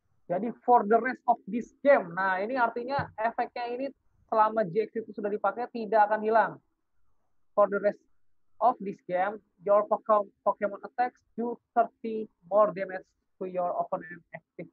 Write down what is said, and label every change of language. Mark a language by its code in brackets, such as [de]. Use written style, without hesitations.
[en] Jadi for the rest of this game. [id] Nah, ini artinya efeknya ini selama GX itu sudah dipakai tidak akan hilang. [en] For the rest of this game, your Pokemon attacks do 30 more damage to your opponent active